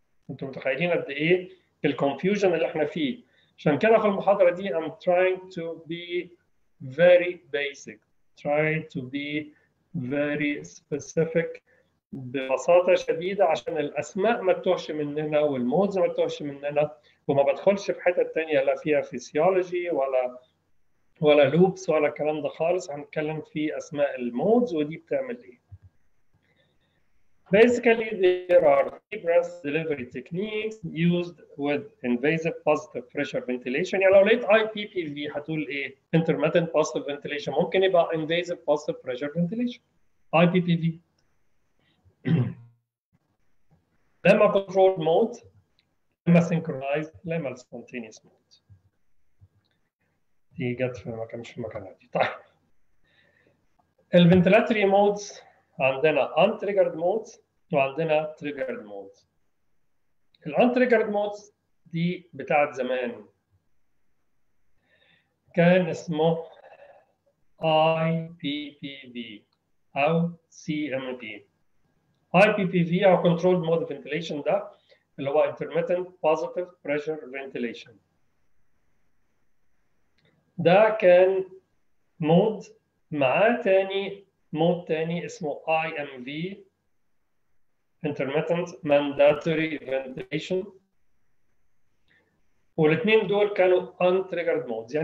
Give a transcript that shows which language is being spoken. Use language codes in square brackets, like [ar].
[ar] انتم متخيلين قد ايه الconfusion اللي احنا فيه؟ عشان كده في المحاضرة دي [en] I'm trying to be very basic, try to be very specific [ar] ببساطة شديدة عشان الأسماء ما تتوهش مننا والمودز ما تتوهش مننا، وما بدخلش في حتة تانية لا فيها فيسيولوجي ولا لوبس ولا كلام ده خالص. هنتكلم في أسماء المودز ودي بتعمل إيه. [en] Basically there are breath delivery techniques used with invasive positive pressure ventilation. [ar] يعني لو لقيت IPPV هتقول إيه؟ intermittent positive ventilation، ممكن يبقى invasive positive pressure ventilation IPPV. لما controlled mode، لما synchronized، لما spontaneous mode. دي جت في مكان مش في مكان عادي. طيب الventilatory modes عندنا untriggered modes وعندنا triggered modes. الuntriggered modes دي بتاعة زمان، كان اسمه IPPV أو CMV. IPPV أو Controlled Mode of Ventilation ده اللي هو Intermittent Positive Pressure Ventilation، ده كان مود معاه تاني مود تاني اسمه IMV Intermittent Mandatory Ventilation، والاثنين دول كانوا Untriggered Modes.